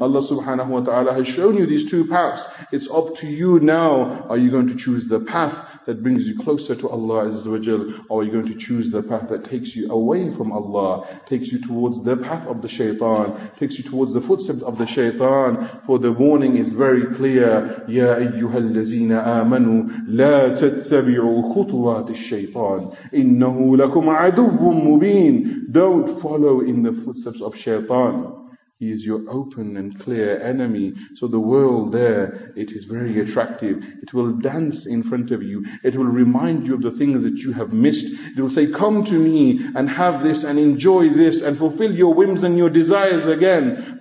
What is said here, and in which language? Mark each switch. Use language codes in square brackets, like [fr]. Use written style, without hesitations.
[en] Allah subhanahu wa ta'ala has shown you these two paths. It's up to you now. Are you going to choose the path that brings you closer to Allah Azza wa Jal, or are you going to choose the path that takes you away from Allah, takes you towards the path of the shaitan, takes you towards the footsteps of the shaitan? For the warning is very clear. [ar] يَا أَيُّهَا الَّذِينَ آمَنُوا لَا تَتَّبِعُوا خُطُوَاتِ الشَّيْطَانِ إِنَّهُ لَكُمْ عَدُوٌّ مُّبِينٌ. [en] Don't follow in the footsteps of shaitan. He is your open and clear enemy. So the world there, it is very attractive. It will dance in front of you. It will remind you of the things that you have missed. It will say, come to me and have this and enjoy this and fulfill your whims and your desires again.